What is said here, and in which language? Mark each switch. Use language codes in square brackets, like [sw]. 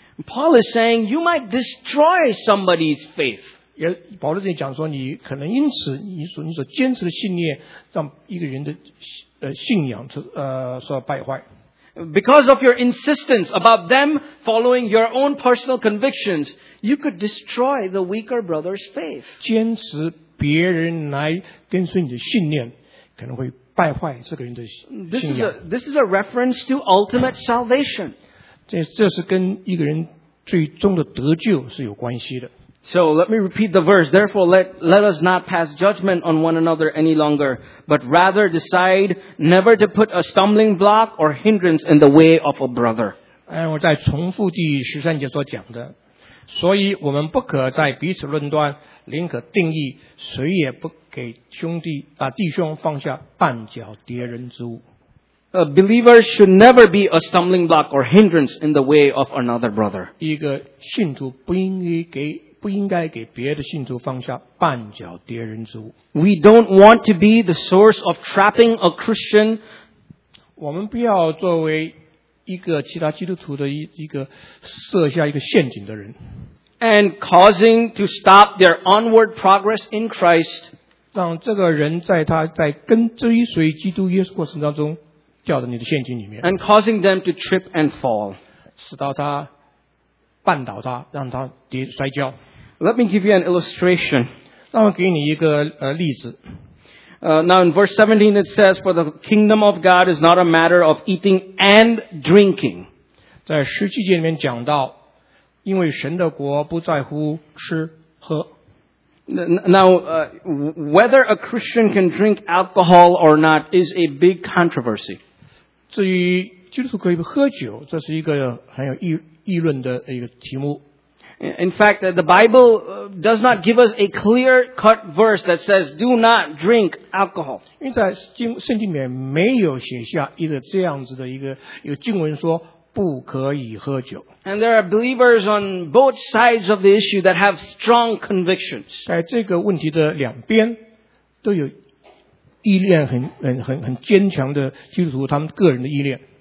[en] Paul is saying, you might destroy somebody's faith. [zh] 也保罗这里讲说你可能因此你所坚持的信念让一个人的信仰所败坏。 [en] Because of your insistence about them following your own personal convictions, you could destroy the weaker brother's faith. [zh] 坚持别人来跟随你的信念，可能会败坏这个人的信仰。 [en] This is a reference to ultimate salvation. [zh] 这是跟一个人最终的得救是有关系的。 [en] So let me repeat the verse. Therefore, let us not pass judgment on one another any longer, but rather decide never to put a stumbling block or hindrance in the way of a brother. [zh] 我再重复第十三节所讲的，所以我们不可在彼此论断，宁可定义，谁也不给弟兄放下绊脚敌人之物。 [en] A believer should never be a stumbling block or hindrance in the way of another brother. [zh] 一个信徒不应该给别的信徒放下绊脚敌人之物。 [en] We don't want to be the source of trapping a Christian. [zh] 我们不要作为一个其他基督徒的一个设下一个陷阱的人。 [en] And causing to stop their onward progress in Christ. [zh] 让这个人在他在跟追随基督耶稣过程当中掉到你的陷阱里面。 [en] And causing them to trip and fall. [zh] 使到他绊倒他，让他跌摔跤。 [en] Let me give you an illustration. [zh] 让我给你一个例子。 [en] Now in verse 17 it says, "For the kingdom of God is not a matter of eating and drinking." [zh] 在十七节里面讲到，因为神的国不在乎吃喝。 [en] Now, whether a Christian can drink alcohol or not is a big controversy. [zh] 至于基督徒可以喝酒，这是一个很有议论的一个题目。 [en] In fact, the Bible does not give us a clear-cut verse that says, "Do not drink alcohol." [zh] 因为在圣经里面没有写下一个这样子的一个经文说不可以喝酒。 [en] And there are believers on both sides of the issue that have strong convictions. [zh] 在这个问题的两边都有意念很坚强的基督徒，他们个人的意念。